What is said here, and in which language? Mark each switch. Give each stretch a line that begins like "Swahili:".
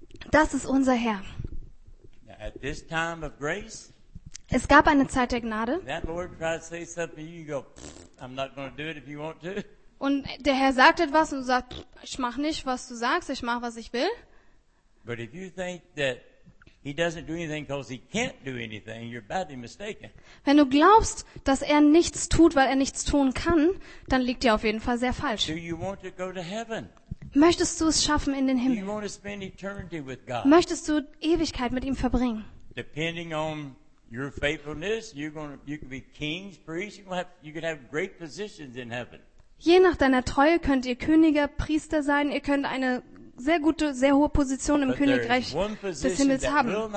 German: Das ist unser Herr. Es gab eine Zeit der Gnade. Und der Herr sagt etwas und du sagst, ich mach nicht, was du sagst, ich mach, was ich will.
English: But if you think that he doesn't do anything because he can't do anything, you're badly mistaken.
German: Wenn du glaubst, dass er nichts tut, weil er nichts tun kann, dann liegt dir auf jeden Fall sehr falsch.
English: Do you want to go to heaven?
German: Möchtest du es schaffen in den Himmel?
English: Do you want to spend eternity with God?
German: Möchtest du Ewigkeit mit ihm verbringen?
English: Depending on your faithfulness, you can be kings, priests, you can have great positions in heaven.
German: Je nach deiner Treue könnt ihr Könige, Priester sein, ihr könnt eine sehr gute, sehr hohe Position im Königreich des Himmels haben.